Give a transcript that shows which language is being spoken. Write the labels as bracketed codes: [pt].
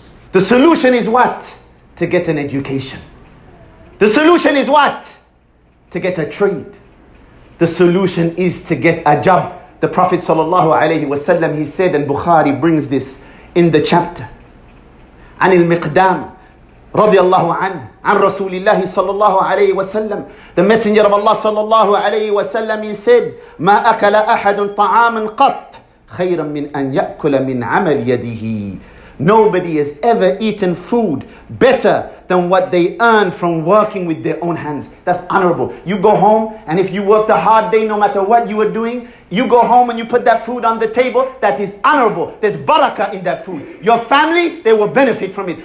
[en] The solution is what? To get an education. The solution is what? To get a trade. The solution is to get a job. The Prophet sallallahu alayhi wa sallam, he said, and Bukhari brings this in the chapter, [ar] عن المقدام رضي الله عنه عن رسول الله صلى الله عليه وسلم. [en] The Messenger of Allah [ar] صلى الله عليه وسلم, [en] he said, [ar] ما أكل أحد طعاما قط خيرا من أن يأكل من عمل يده. [en] Nobody has ever eaten food better than what they earn from working with their own hands. That's honorable. You go home, and if you worked a hard day, no matter what you were doing, you go home and you put that food on the table, that is honorable. There's barakah in that food. Your family, they will benefit from it.